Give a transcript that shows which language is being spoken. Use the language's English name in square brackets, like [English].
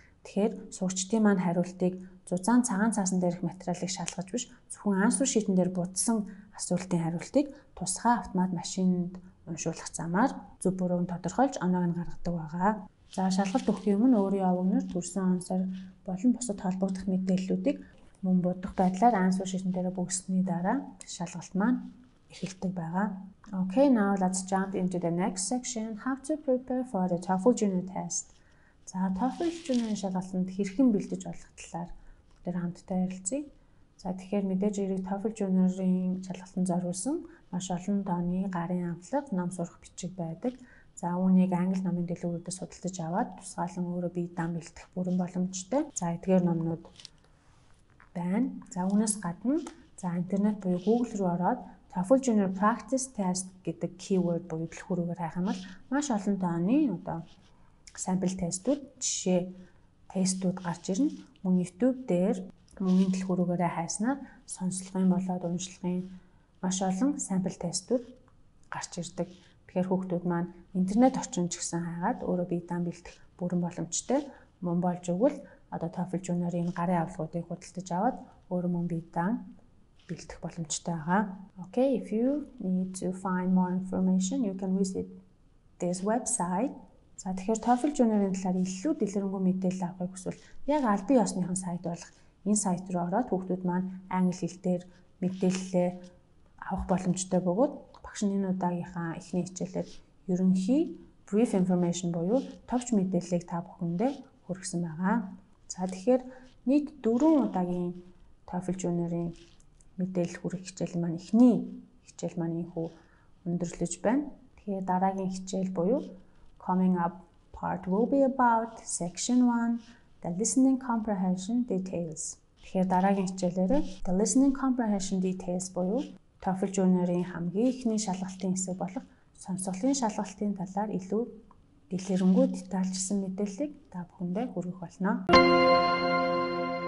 [Mongolian] Тэгэхээр сурагчдын маань хариултыг зузаан цагаан цаасан дээрх материалыг шалгаж биш, зөвхөн answer sheet-ын дээр бодсон асуултын хариултыг тусгай автомат машинд уншуулах замаар зөв бүрэн тодорхойлж оноог нь гаргадаг байгаа. За шалгалт өгөхийн өмнө өөрийн овогнор төрсэн онсоор болон бусад холбогдох мэдээллүүдийг мөн бодох байдлаар answer sheet-ын дээр бүгсгэний дараа шалгалт маань эхэлдэг байгаа. [English] Okay, now let's jump into the next section. How to prepare for the TOEFL Junior test. [Mongolian] За, TOEFL Junior-ийн шалгалтанд хэрхэн бэлдэж болох талаар бид хамтдаа ярилцъя. За, тэгэхээр мэдээж хэрэг TOEFL Junior-ийн шалгалтанд зориулсан маш олон тооны гарын амтлаг, ном сурах бичиг байдаг. За, үүнийг англи номын дэлгүүрүүдэд судалтаж аваад тусгаалan өөрөө бие даан бэлдэх бүрэн боломжтой. За, эдгээр номнууд байна. За, үүнээс гадна за, интернет буюу Google руу ороод TOEFL Junior Practice Test гэдэг keyword буюу дэлгүүрээр хайх юм бол маш олон тооны одоо sample тестүүд, жишээ тестүүд гарч ирнэ. Мөн YouTube дээр мөн дэлгүүрээр хайснаар сонслогын болоод уншлогын маш олон sample тестүүд гарч ирдэг. Тэгэхээр хүүхдүүд маань интернет орчинч гэсэн хайгаад өөрөө бие даан бэлдэх бүрэн боломжтой. Мөн болж өгвөл одоо TOEFL Junior-ийн гарын авлигуудыг худалдаж аваад өөрөө мөн бие даан бэлдэх боломжтой байгаа. [English] Okay, if you need to find more information, you can visit this website. [Mongolian] За тэгэхээр TOEFL Junior-ийн талаар илүү дэлгэрэнгүй мэдээлэл авахыг хүсвэл яг аль бие осныхон сайт болох энэ сайт руу ороод хүүхдүүд маань англи хэлээр мэдээлэлээ авах боломжтой бөгөөд багшны удаагийнхаа эхний хичээлээр ерөнхий [English] brief information [Mongolian] буюу товч мэдээллийг та бүхэндээ хүргэсэн байгаа. За тэгэхээр нийт 4 удаагийн TOEFL Junior-ийн мэдээлэл хүргэх хичээл маань эхний хичээл маань ийхүү өндөрлөж байна. Тэгээ дараагийн хичээл буюу [English] coming up part will be about section 1, the listening comprehension details. [Mongolian] Тэгэхээр дараагийн хичээлээрээ [English] the listening comprehension details [Mongolian] буюу TOEFL Junior-ийн хамгийн эхний шалгалтын хэсэг болох сонсголын шалгалтын талаар илүү дэлгэрэнгүй дэлгэрэнгүй дэлгэрэнгүй мэдээллийг та бүхэндээ хүргэх болно.